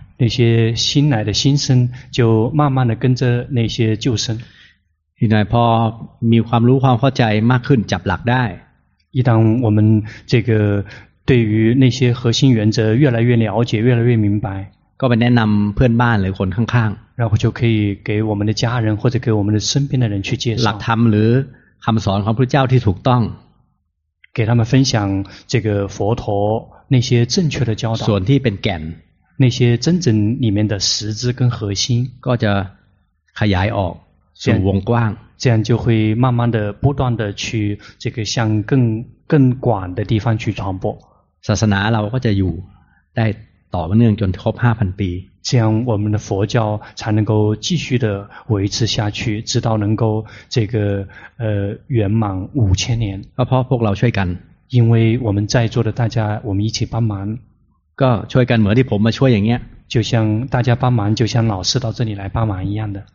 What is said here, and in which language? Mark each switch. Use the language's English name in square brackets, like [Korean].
[Chinese] 那些新来的新生就慢慢的跟着那些旧生 [Thai] ทีนี้พอมีความรู้ความเข้าใจมากขึ้นจับหลักได้ [Chinese] 一旦我们这个对于那些核心原则越来越了解越来越明白 [Thai] ก็ไปแนะนำเพื่อนบ้านหรือคนข้าง [Chinese] ๆ然后就可以给我们的家人或者给我们的身边的人去介绍 [Thai] หลักธรรมหรือคำสอนของพระเจ้าที่ถูกต้อง [Chinese] 给他们分享这个佛陀那些正确的教导 [Thai] ส่วนที่เป็นแก่น [Chinese] 那些真正里面的实质跟核心 [Thai] ก็จะขยายออกสู่วงกว้าง [Chinese] 这样就会慢慢的不断的去这个向更广的地方去传播 [Thai] ศาสนาเราก็จะอยู่ได้ต่อเนื่องจนครบ 5,000 ปี [Chinese] 这样我们的佛教才能够继续的维持下去直到能够这个圆满5000年 [Thai] เพราะพวกเราช่วยกัน [Chinese] 因为我们在座的大家我们一起帮忙 [Thai] ก็ช่วยกันเหมือนที่ผมมาช่วยอย่างเงี้ย [Chinese] 就像大家帮忙就像老师到这里来帮忙一样的